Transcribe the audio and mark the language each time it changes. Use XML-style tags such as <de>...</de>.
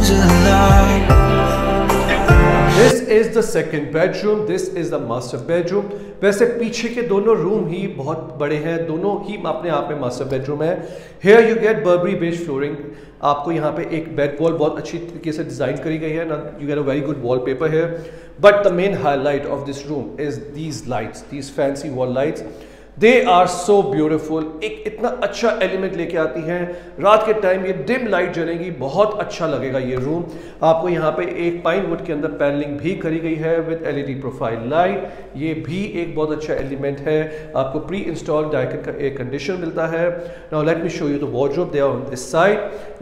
<en>This is the second bedroom. This is the master bedroom.</en> <hi>वैसे पीछे के दोनों रूम ही बहुत बड़े हैं, दोनों ही अपने आप में मास्टर बेडरूम है।</hi> <en>Here you get Burberry beige flooring.</en> <hi>आपको यहाँ पे एक बेड वॉल बहुत अच्छी तरीके से डिजाइन करी गई है, you get a very good wallpaper here.</hi> <en>But the main highlight of this room is these lights, these fancy wall lights. They are so beautiful.</en> <hi>एक इतना अच्छा एलिमेंट लेके आती हैं, रात के टाइम ये डिम लाइट जलेगी, बहुत अच्छा लगेगा ये रूम। आपको यहाँ पे एक पाइन वुड के अंदर पैनलिंग भी करी गई है विद LED प्रोफाइल लाइट, ये भी एक बहुत अच्छा एलिमेंट है।</hi> <en>आपको pre install Daikin का air condition मिलता है। Now let me show you the wardrobe there on this side.</en>